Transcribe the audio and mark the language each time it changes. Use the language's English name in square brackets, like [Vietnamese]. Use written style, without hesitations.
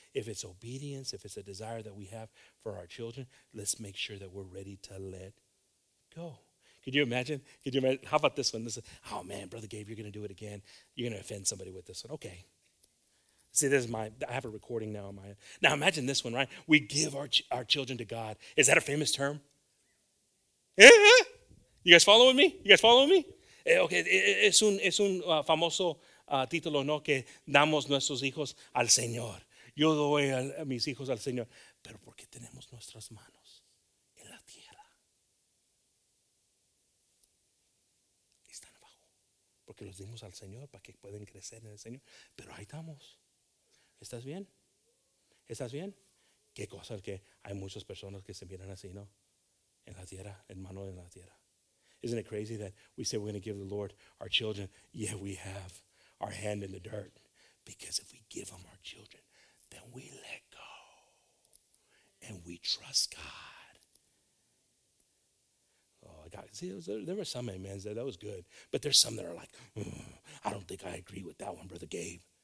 [English] If it's obedience, if it's a desire that we have for our children, let's make sure that we're ready to let go. Could you imagine? How about this one? This is, oh man, Brother Gabe, you're going to do it again. You're going to offend somebody with this one. Okay. See, this is I have a recording now on my head. Now imagine this one, right? We give our children to God. Is that a famous term? Yeah. You guys following me? [Spanish] Okay, es un famoso título, ¿no? Que damos nuestros hijos al Señor. Yo doy a mis hijos al Señor. Pero ¿por qué tenemos nuestras manos en la tierra? Están abajo. Porque los dimos al Señor para que puedan crecer en el Señor. Pero ahí estamos. ¿Estás bien? ¿Estás bien? Qué cosa que hay muchas personas que se miran así, ¿no? En la tierra, hermano, en la tierra. [English] Isn't it crazy that we say we're going to give the Lord our children? Yeah, we have our hand in the dirt. Because if we give them our children, then we let go. And we trust God. my God. See, there were some amens there. That was good. But there's some that are like, I don't think I agree with that one, Brother Gabe.